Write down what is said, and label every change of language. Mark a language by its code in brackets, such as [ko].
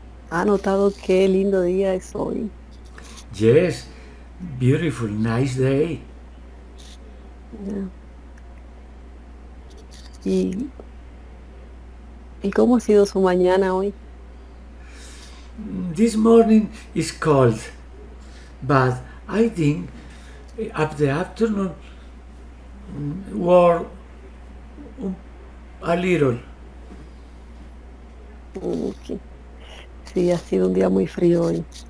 [es] Ha notado qué lindo día es hoy. [en] Yes, beautiful, nice day. [es] ¿Y cómo ha sido su mañana hoy? [en] This morning is cold, but I think up the afternoon warm a little. Okay. [es] Sí, ha sido un día muy frío hoy.